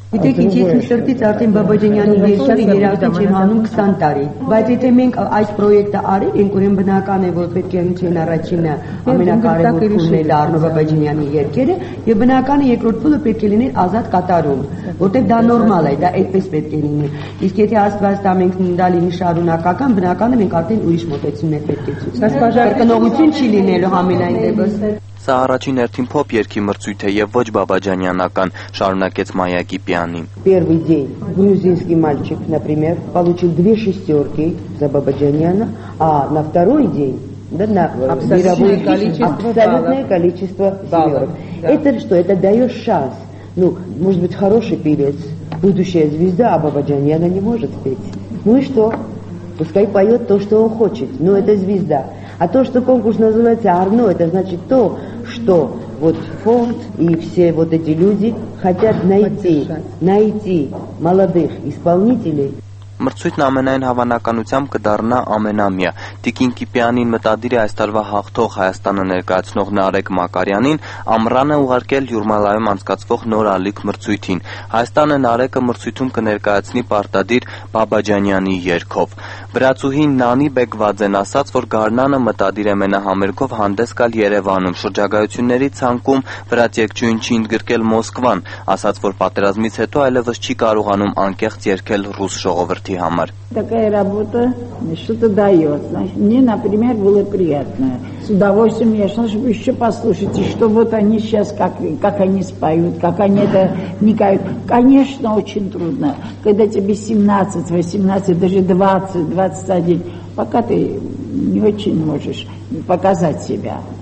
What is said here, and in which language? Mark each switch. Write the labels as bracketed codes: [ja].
[hy] Գիտեք, ինչ ես մի շրթից արդեն Բաբաջանյանի երգերը երաժշտ չեմ անում 20 տարի, բայց եթե մենք այս պրոյեկտը արել ենք, ուրեմն բնական է, որ պետք է հնչեն առաջինը ամենակարևոր փուլը Արնո Բաբաջանյանի երգերը, եւ բնական է երկրորդ փուլը պետք է լինի ազատ կատարում, որտեղ դա նորմալ է, դա այդպես պետք է լինի։ Իսկ եթե Աստված դա մենք դա լինի շարունակական, բնական է մենք արդեն ուրիշ մոտեցումն ենք պետք ցույց տալ։ Սպասարկ կնողություն չի լինելու համենայն դեպս։ Սա առաջին հերթին փոփ երգի մրցույթ է եւ ոչ բաբաջանյանական, շարունակեց Մայակի պիանին։ [ru] Первый день грузинский мальчик, например, получил две шестёрки за Бабаджаняна, а на второй день абсолютное количество семерок. Это что? Это дает шанс. Ну, может быть, хороший певец, будущая звезда, а Бабаджаняна не может петь. Ну и что? Пускай поет то, что он хочет, но это звезда. А то, что конкурс называется «Арно», это значит то, что вот фонд и все вот эти люди хотят найти молодых исполнителей. [hy] Մրցույթն ամենայն հավանականությամբ կդառնա ամենամյա։ Տիկին Կիպյանին մտադիր է այս տարվա հաղթող Հայաստանը ներկայացնող Նարեկ Մակարյանին ամռանը ուղարկել Յուրմալայում անցկացվող նոր ալիք մրցույթին։ Հայաստանը Նարեկը մրցույթում կներկայացնի պարտադիր Բաբաջանյանի երգով։ Վրացուհին Նանի Բեկվաձեն ասաց, որ Գարնանը մտադիր է մենահամերգով հանդես գալ Երևանում։ Շրջագայությունների ցանկում վրաց երգչուհին չի ընդգրկել Մոսկվան, ասաց, որ պատերազմից հետո այլևս չի կարողանում անկեղծ երգել ռուս ժողովրդին. [ru] Такая работа что-то дает. Значит, мне, например, было приятно. С удовольствием я шла, чтобы еще послушать, и что вот они сейчас, как они споют, как они это вникают. Конечно, очень трудно, когда тебе 17, 18, даже 20, 21, пока ты не очень можешь показать себя.